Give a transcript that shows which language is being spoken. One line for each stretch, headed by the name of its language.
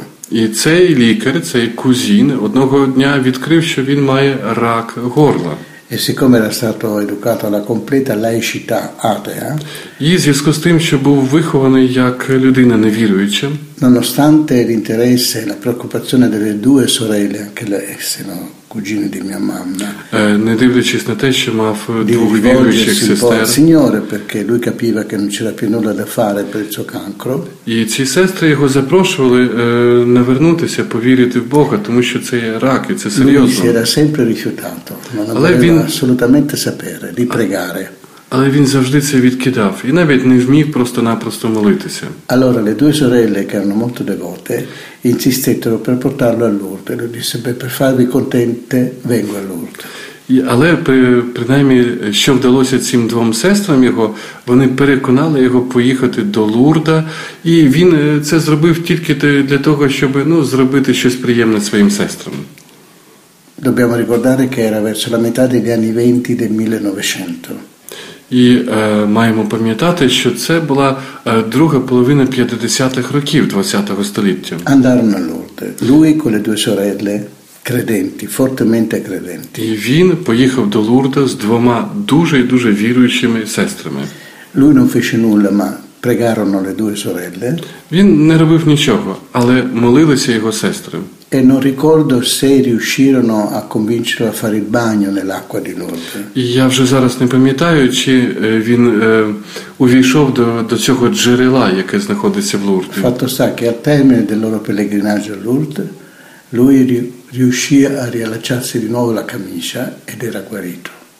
Ukrainian: І цей лікар, цей кузін, одного дня відкрив, що він має рак горла.
Italian: E siccome era stato educato alla completa laicità atea,
Ukrainian: і зв'язку з тим, що був вихований як людина невіруюча,
Italian: nonostante l'interesse e la preoccupazione delle due sorelle, anche le sono cugine di mia mamma,
Ukrainian: не дивлячись на те, що мав двох віруючих сестер,
Italian: di signore, perché lui capiva che non c'era più nulla da fare per il suo cancro,
Ukrainian: і ці сестри його запрошували навернутися, повірити в Бога, тому що це рак, і це серйозно.
Italian: Lui si era sempre rifiutato, ma non voleva assolutamente sapere di pregare.
Ukrainian: Але він завжди це відкидав і навіть не вмів просто-напросто молитися.
Italian: Allora le due sorelle, che erano molto devote, insistettero per portarlo a Lourdes. Lui disse: "Beh, per farvi contente, vengo a Lourdes".
Ukrainian: Але принаймні, що вдалося цим двом сестрам його, вони переконали його поїхати до Лурда, і він це зробив тільки для того, щоб, ну, зробити щось приємне своїм сестрам.
Italian: Dobbiamo ricordare che era verso la metà degli anni 20 del 1900.
Ukrainian: І маємо пам'ятати, що це була друга половина 50-х років 20-го століття.
Italian: Andarono a Lourdes. Lui con le due sorelle. Credenti, fortemente credenti.
Ukrainian: І він поїхав до Лурда з двома дуже і дуже віруючими сестрами.
Italian: Lui non fece nulla, ma pregarono le due sorelle.
Ukrainian: Він не робив нічого, але молилися його сестри.
Italian: E non ricordo se riuscirono a convincerlo a fare il bagno nell'acqua di Lourdes.
Ukrainian: Я вже зараз не пам'ятаю, чи він увійшов до цього джерела, яке знаходиться в Лурді.
Italian: Fatto sta che al termine del loro pellegrinaggio a Lourdes, lui riuscì a riallacciarsi di nuovo la camicia ed era guarito.